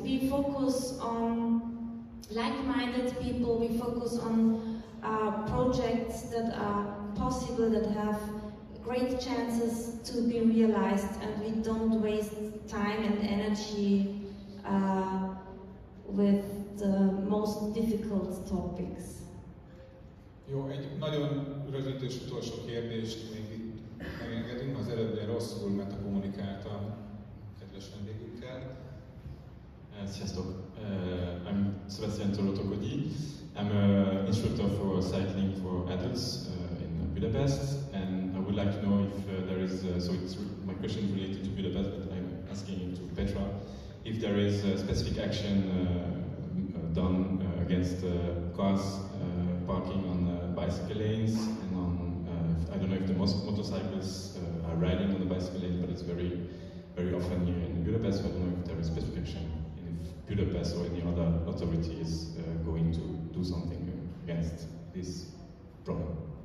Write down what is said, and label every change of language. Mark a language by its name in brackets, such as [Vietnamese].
[English] We focus on like-minded people, we focus on projects that are possible, that have great chances to be realized, and we don't waste time and energy with the most difficult topics. [Hungarian] Jó, egy nagyon rövid és utolsó kérdést még itt megengedünk. Az előbb ilyen rosszul, mert a kommunikáltam kedves vendégünkkel. Sziasztok! [English] I'm Sebastian Tolotokodi. I'm an instructor for cycling for adults in Budapest, and I would like like to know if there is, so it's my question is related to Budapest, but I'm asking to Petra, if there is a specific action done against cars parking on bicycle lanes, and on, I don't know if the motorcyclists are riding on the bicycle lane, but it's very, very often here in Budapest, so I don't know if there is specific action, and if Budapest or any other authority is going to do something against this problem.